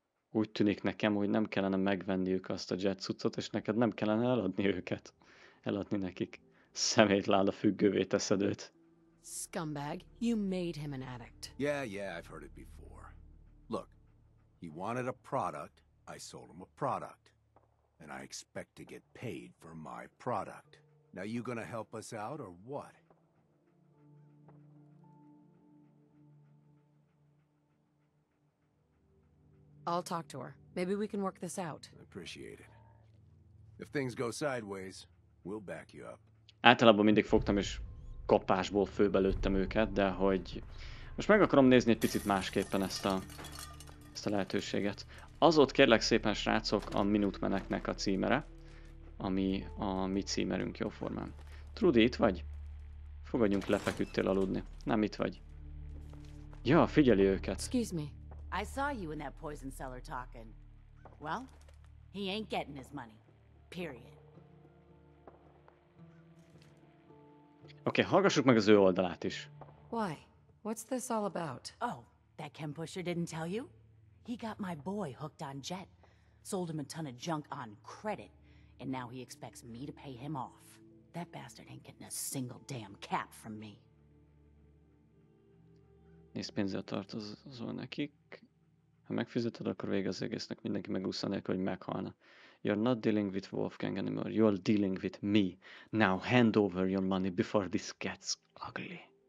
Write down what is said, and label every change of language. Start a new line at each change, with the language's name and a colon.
Hungarian: Úgy tűnik nekem, hogy nem kellene megvenniük azt a jet cuccot, és neked nem kellene eladni őket. Eladni nekik. Szemétláda függővé teszed őt.
English: Scumbag, you made him an addict. Yeah, yeah, I've heard it before. Look, he wanted a product, I sold him a product. And I expect to get paid for my product. Now you gonna help us out or what? I'll talk to her. Maybe we can work this out. I appreciate it. If things go sideways, we'll back you up.
Hungarian: Általában mindig fogtam és kapásból főbelőttem őket, de hogy most meg akarom nézni egy picit másképpen ezt a lehetőséget. Az ott kérlek szépen srácok a Minutemeneknek a címere, ami a mi címerünk jóformán. Trudy, itt vagy? Fogadjunk, lefeküdtél aludni. Nem, itt vagy. Ja, figyeli őket.
English: Excuse me. I saw you in that poison cellar talking. Well, he ain't getting his money. Period.
Hungarian: Oké, okay, hallgassuk meg az ő oldalát is.
English: Why? What's this all about? Oh, that Ken Pusher didn't tell you? He got my boy hooked on jet, sold him a ton of junk on credit, and now he expects me to pay him off. That bastard ain't getting a single damn cap from me.
Hungarian: Nézd, pénzzel tartozol nekik. Ha megfizeted, akkor vége az egésznek, mindenki megúszta nélkül, hogy meghalna.
English: You're not dealing with Wolfgang anymore. You're dealing with me. Now hand over your money before this gets ugly.